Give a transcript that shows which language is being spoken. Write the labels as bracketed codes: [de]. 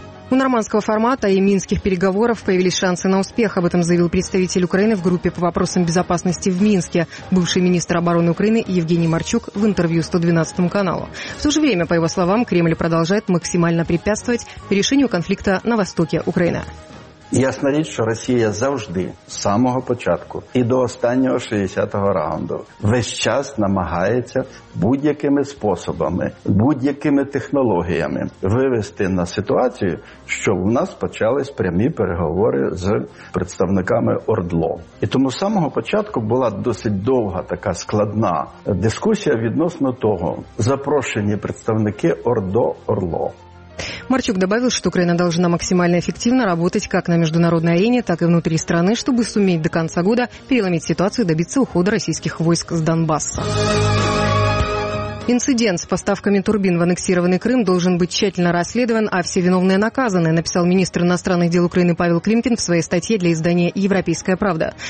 [ru] У нормандского формата и минских переговоров появились шансы на успех. Об этом заявил представитель Украины в группе по вопросам безопасности в Минске, бывший министр обороны Украины Евгений Марчук в интервью 112 каналу. В то же время, по его словам, Кремль продолжает максимально препятствовать решению конфликта на востоке Украины. [uk] Ясна річ, що Росія завжди, з самого початку і до останнього 60-го раунду, весь час намагається будь-якими способами, будь-якими технологіями вивести на ситуацію, що в нас почались прямі переговори з представниками ОРДЛО. І тому з самого початку була досить довга така складна дискусія відносно того, запрошені представники ОРДО-ОРЛО. [ru] Марчук добавил, что Украина должна максимально эффективно работать как на международной арене, так и внутри страны, чтобы суметь до конца года переломить ситуацию и добиться ухода российских войск с Донбасса. Инцидент с поставками турбин в аннексированный Крым должен быть тщательно расследован, а все виновные наказаны, написал министр иностранных дел Украины Павел Климкин в своей статье для издания «Европейская правда».